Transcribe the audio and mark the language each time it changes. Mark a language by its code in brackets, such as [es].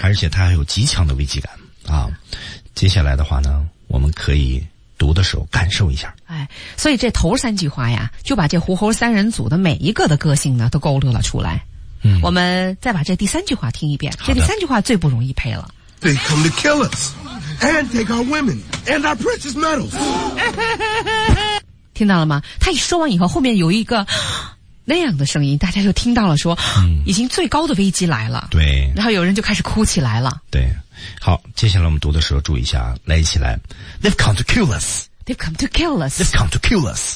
[zh] 而且他还有极强的危机感啊。接下来的话呢我们可以读的时候感受一下，哎，所以这头三句话呀就把这狐猴三人组的每一个的个性呢都勾勒了出来，我们再把这第三句话听一遍，这第三句话最不容易配了， [en] They come to kill us and take our women and our precious metals. [zh] 听到了吗？他一说完以后，后面有一个那样的声音，大家就听到了说，已经最高的危机来了。对，然后有人就开始哭起来了。对，好，接下来我们读的时候注意一下，来一起来。 [en] They've come to kill us. They've come to kill us. They've come to kill us.